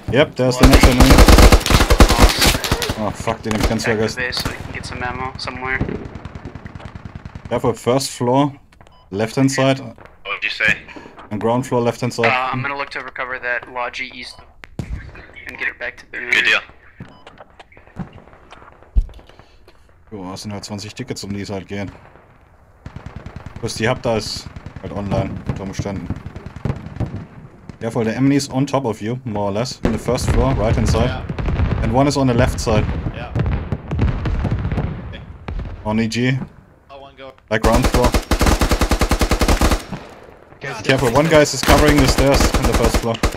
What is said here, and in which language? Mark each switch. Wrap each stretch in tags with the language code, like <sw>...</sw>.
<en>Yep, there's the next enemy. Oh fuck, didn't even cancel, guys. Some ammo somewhere. Careful, first floor, left hand side. What did you say? And ground floor, left hand side. I'm gonna look to recover that lodgy east and get it back to the. Good deal.</en> <de>Jo, es sind halt 20 Tickets, um die es halt gehen. Plus die Hub da ist halt online, unter Umständen.</de> <en>Careful, the enemy is on top of you, more or less, in the first floor, right hand side. Yeah. And one is on the left side. Yeah. On EG. Oh, one go. Like round four. Careful, one guy is covering the stairs on the first floor.</en>